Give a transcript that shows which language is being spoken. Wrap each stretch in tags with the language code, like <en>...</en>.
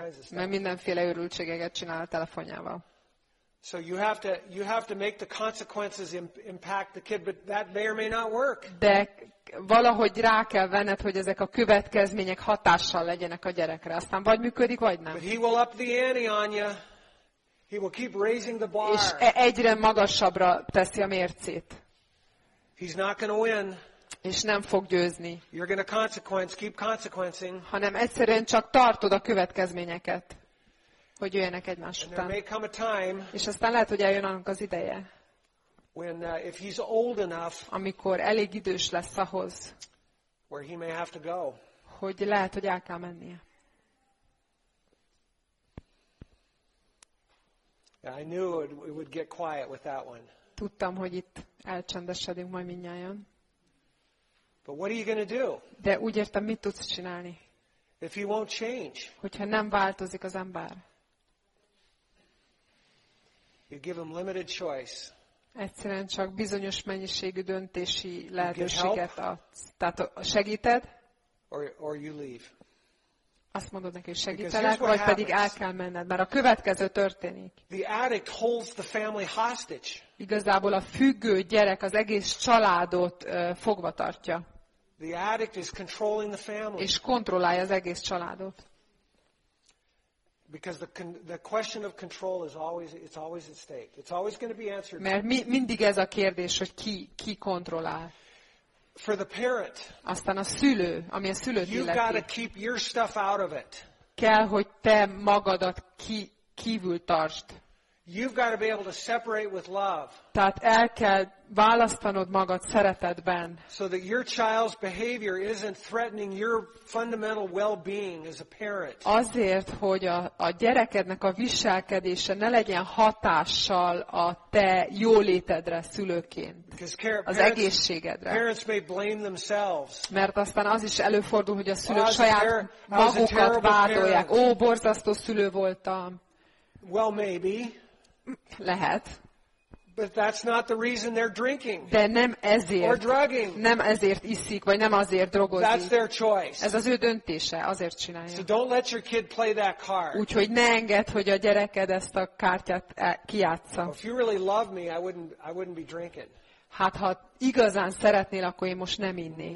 <hu>Mert mindenféle őrültségeket csinál a telefonjával.</hu> <en>So you have to make the consequences impact the kid, but that may or may not work.</en> <hu>De valahogy rá kell venned, hogy ezek a következmények hatással legyenek a gyerekre. Aztán vagy működik, vagy nem.</hu> <en>But he will up the ante on you. He will keep raising the bar.</en> <hu>És egyre magasabbra teszi a mércét.</hu> <en>He's not going to win.</en> <hu>És nem fog győzni.</hu> <en>You're gonna consequence, keep consequencing.</en> <hu>Hanem egyszerűen csak tartod a következményeket, hogy jöjjenek egymás</hu> <en>and</en> <hu>után.</hu> <en>There may come a time,</en> <hu>és aztán lehet, hogy eljön annak az ideje,</hu> <en>when, if he's old enough,</en> <hu>amikor elég idős lesz ahhoz,</hu> <en>where he may have to go.</en> <hu>Hogy lehet, hogy el kell mennie.</hu> <en>Yeah, I knew it would get quiet with that one.</en> <hu>Tudtam, hogy itt elcsendesedünk majd mindnyájan.</hu> <en>But what are you going to do?</en> <hu>De úgy értem, mit tudsz csinálni?</hu> <en>If he won't change.</en> <hu>Hogyha nem változik az ember.</hu> <en>You give him limited choice.</en> <hu>Egyszerűen csak bizonyos mennyiségű döntési lehetőséget adsz. Tehát segíted?</hu> <en>Or you leave.</en> <hu>Azt mondod neki, hogy segítelek, vagy pedig el kell menned, mert a következő történik.</hu> <en>The addict holds the family hostage.</en> <hu>Igazából a függő gyerek az egész családot fogva tartja.</hu> <en>The addict is controlling the family.</en> <hu>És kontrollálja az egész családot.</hu> <en>Because the question of control is always, it's always at stake. It's always going to be answered.</en> <hu>Mert mindig ez a kérdés, hogy ki kontrollál.</hu> <en>For the parent.</en> <hu>Aztán a szülő, ami a szülőt illeti.</hu> <en>You've got to keep your stuff out of it.</en> <hu>Kell, hogy te magadat kívül tartsd.</hu> <en>You've got to be able to separate with love.</en> <hu>Tehát el kell választanod magad szeretetben.</hu> <en>So that your child's behavior isn't threatening your fundamental well-being as a parent.</en> <hu>Azért, hogy a gyerekednek a viselkedése ne legyen hatással a te jólétedre szülőként. Az egészségedre.</hu> <en>Parents may blame themselves.</en> <hu>Mert aztán az is előfordul, hogy a szülők saját magukat vádolják. Ó, borzasztó szülő voltam.</hu> <en>Well, maybe.</en> <hu>Lehet.</hu> <en>But that's not the reason they're drinking.</en> <hu>De nem ezért.</hu> <en>Or drugging.</en> <hu>Nem ezért iszik, vagy nem azért drogozik.</hu> <en>That's their choice.</en> <hu>Ez az ő döntése, azért csinálja.</hu> <en>So don't let your kid play that card.</en> <hu>Úgyhogy ne engedd, hogy a gyereked ezt a kártyát kijátsza.</hu> <en>If you really love me, I wouldn't be drinking.</en> <hu>Hát ha igazán szeretnél, akkor én most nem innék.</hu>